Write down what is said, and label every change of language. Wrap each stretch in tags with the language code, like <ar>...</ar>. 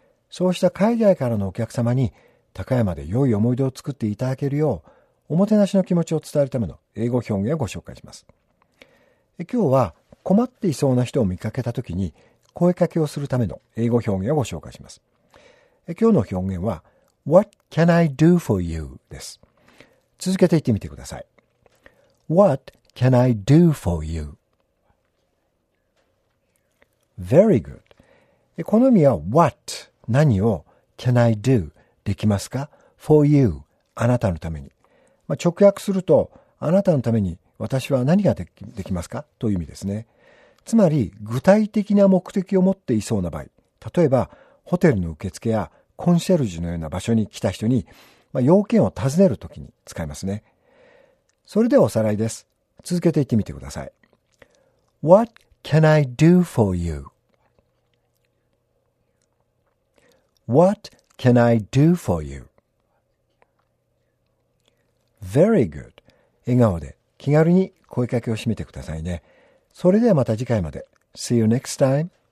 <ja>そうした海外からのお客様に高山で良い思い出を作っていただけるよう、おもてなしの気持ちを伝えるための英語表現をご紹介します。今日は困っていそうな人を見かけたときに声かけをするための英語表現をご紹介します。今日の表現は、</ja> <en>What can I do for you?</en> <ja>です。続けて言ってみてください。</ja> <en>What can I do for you? Very good.</en> <ja>この意味は What 何を</ja> <en>Can I do?</en> <ja>できますか</ja> <en>For you?</en> <ja>あなたのために。まあ、直訳すると、あなたのために私は何ができますかという意味ですね。つまり、具体的な目的を持っていそうな場合、例えば、ホテルの受付やコンシェルジュのような場所に来た人に、まあ、要件を尋ねるときに使いますね。それではおさらいです。続けて言ってみてください。</ja> <en>What can I do for you?What can I do for you?Very good.</en> <ja>笑顔で気軽に声かけをしてみてくださいね。それではまた次回まで。</ja> <en>See you next time.</en>